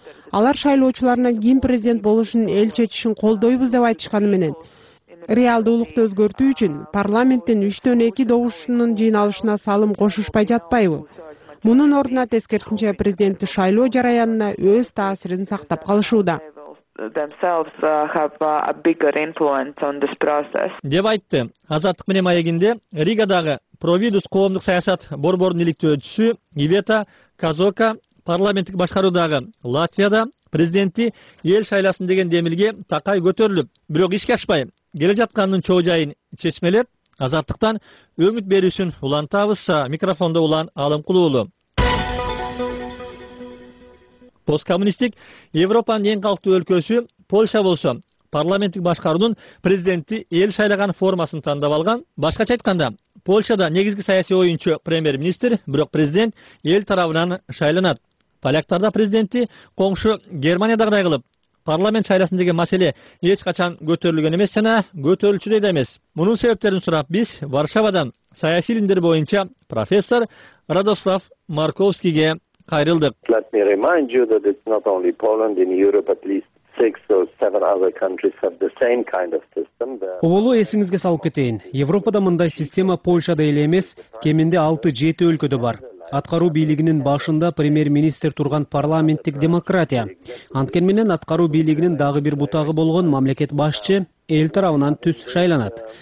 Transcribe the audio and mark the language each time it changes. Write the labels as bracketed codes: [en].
[ky] Алар шайлоочуларына ким президент болушун эл чечишин колдойбуз деп айтышканы менен, реалдуулукту өзгөртүү үчүн парламенттин 3-2 добушунун жыйналышына салым кошушпай жатпайбы? Мунун ордуна тескерисинче президентти шайлоо жараянына өз таасирин сактап калышууда. [en] Themselves have a bigger influence on this process. [ky] Деп айтты Азаттык менен маегинде Ригадагы Провидус коомдук саясат борборунун иликтөөчүсү Ивета Казока. Парламенттик башкаруудагы Латвияда президентти эл шайласын деген демилге такай көтөрүлүп, бирок ишке ашпай келе жатканынын чоо жайын чечмелеп, азаттыктан өмүт берүүсүн улантабыз. Микрофондо Улан Алымкулу уулу. Посткоммунисттик Европанын эң калктуу өлкөсү Польша болсо, парламенттик башкаруунун президентти эл шайлаган формасын тандап алган. Башкача айтканда, Польшада негизги саясий оюнчу премьер-министр, бирок президент эл тарабынан шайланат. Поляктарда президентти коңшу Германиядагыдай кылып, парламент шайласын деген маселе эч качан көтөрүлгөн эмес жана көтөрүлчүдөй да эмес. Мунун себептерин сурап, биз Варшавадан саясий илимдер боюнча профессор Радослав Марковскийге кайрылдык. [en] Let me remind you that it's not only Poland, in Europe at least 6 or 7 other countries have the same kind of system. [ky] Уулу эсиңизге салып кетейин. Европада мындай система Польшада эле эмес, кеминде 6-7 өлкөдө бар. Аткаруу бийлигинин башында премьер-министр турган парламенттик демократия. Анткени менен аткаруу бийлигинин дагы бир бутагы болгон мамлекет башчы эл тарабынан түз шайланат.